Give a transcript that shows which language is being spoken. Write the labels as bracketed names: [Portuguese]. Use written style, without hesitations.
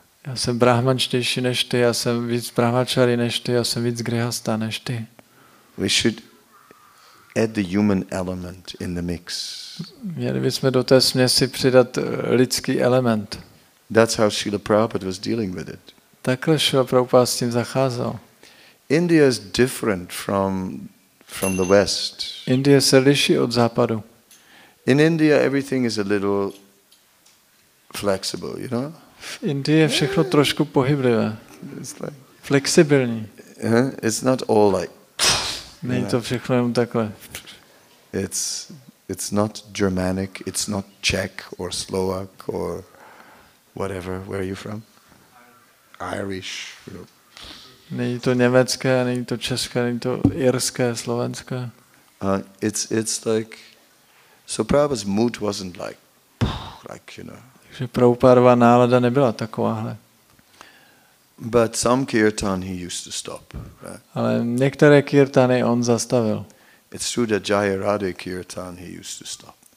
[Czech] Já jsem brahmanštější než ty, já jsem víc brahmačary než ty, já jsem víc grihasta než ty. [English] We should add the human element in the mix. [Czech] Měli bychom do té směsi přidat lidský element. [English] That's how Srila Prabhupada was dealing with it. [Czech] Takhle Srila Prabhupada s tím zacházel. [English] India is different from the West. [Czech] Indie se liší od západu. [English] In India everything is a little flexible, you know? [Czech] V Indii je všechno trošku pohyblivé. Flexibilní. [English] It's not all like. [Czech] Není to všechno jenom takhle. [English] It's not Germanic, it's not Czech or Slovak or whatever, where are you from? Irish. [Czech] Není to německé, není to české, není to irské, slovenské. [English] It's like, so Prabhupada's mood wasn't like, you know. [Czech] Že Prabhupádova nálada nebyla takováhle. [English] But some kirtan he used to stop, right? [Czech] Ale některé kirtany on zastavil. [English] It's true that Jai Radhe kirtan he used to stop.